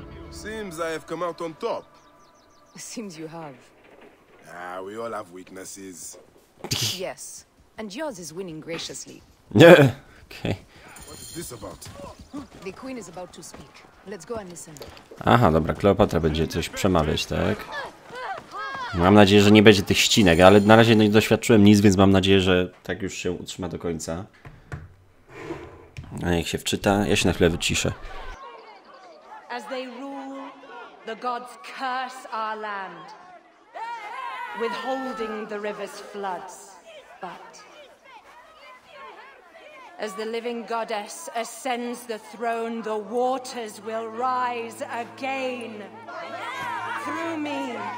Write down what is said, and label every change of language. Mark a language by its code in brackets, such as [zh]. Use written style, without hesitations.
[en] Seems I have come out on top. Seems you have. Ah, we all have weaknesses. Yes. And yours is winning graciously. Okay. What is this about? The queen is about to speak. Let's go and listen. [pl] Aha, dobra. Kleopatra będzie coś przemawiać, tak? Mam nadzieję, że nie będzie tych ścinek, ale na razie nie doświadczyłem nic, więc mam nadzieję, że tak już się utrzyma do końca. A niech się wczyta. Ja się na chwilę wyciszę. [en] As they rule, the gods curse our land, withholding the river's floods. But as the living goddess ascends the throne, the waters will rise again through me.